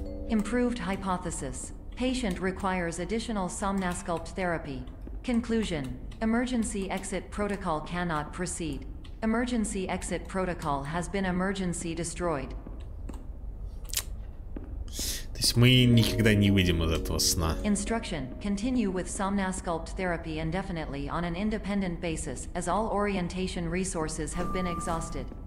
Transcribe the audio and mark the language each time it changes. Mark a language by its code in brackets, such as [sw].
[en] Improved hypothesis. Patient requires additional Somnasculpt therapy. Conclusion. Emergency exit protocol cannot proceed. Emergency exit protocol has been emergency destroyed. [ru] То есть мы никогда не выйдем из этого сна. [en] Instruction. Continue with Somnasculpt therapy indefinitely on an independent basis, as all orientation resources have been exhausted.